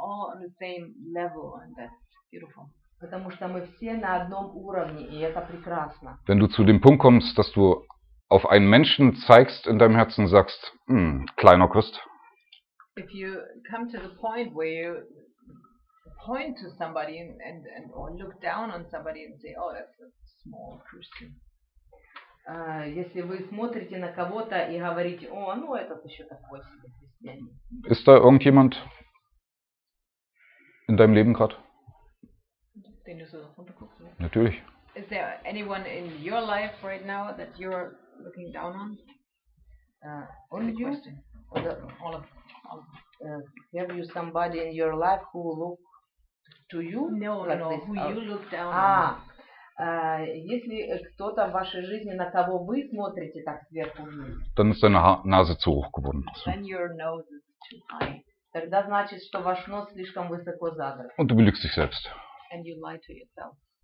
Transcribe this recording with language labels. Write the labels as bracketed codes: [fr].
[en] all on the same level, and that's beautiful. [ru] Потому что мы все на одном уровне, и это прекрасно. [de] Wenn du zu dem Punkt kommst, dass du auf einen Menschen zeigst in deinem Herzen, sagst, kleiner Christ. [en] If you come to the point where you point to somebody and or look down on somebody and say, oh, that's a small Christian. [ru] Если вы смотрите на кого-то и говорите, о, ну этот еще такой себе христианин. [de] Ist da irgendjemand in deinem Leben gerade? Den du so runterguckst, ne? Natürlich. [en] Is there anyone in your life right now that you're looking down on? Only you? Have you somebody in your life who look to you? No, who you look down on. [ru] Если кто-то в вашей жизни, на кого вы смотрите так сверху вниз, [de] dann ist deine Nase zu hoch geworden. [en] Then your nose is too high. [ru] Тогда значит, что ваш нос слишком высоко задран. [de] Und du belügst dich selbst. [en] And you lie to yourself.